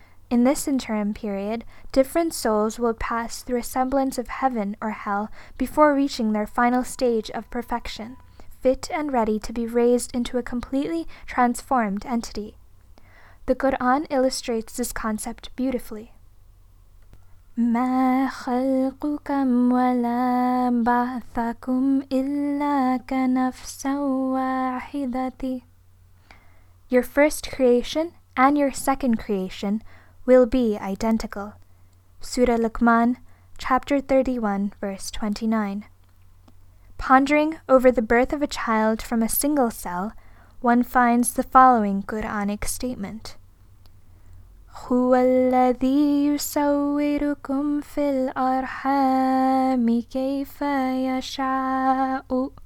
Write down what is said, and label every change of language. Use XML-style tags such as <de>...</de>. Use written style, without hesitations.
<en>In this interim period, different souls will pass through a semblance of heaven or hell before reaching their final stage of perfection, fit and ready to be raised into a completely transformed entity. The Quran illustrates this concept beautifully.</en> <ar>ما خلقكم ولا بعثكم إلا كنفس واحدة.</ar> <en>Your first creation and your second creation will be identical. Surah Luqman, chapter 31, verse 29. Pondering over the birth of a child from a single cell, one finds the following Quranic statement.</en> <ar>هو الذي يصوركم في الأرحام كيف يشاء.</ar>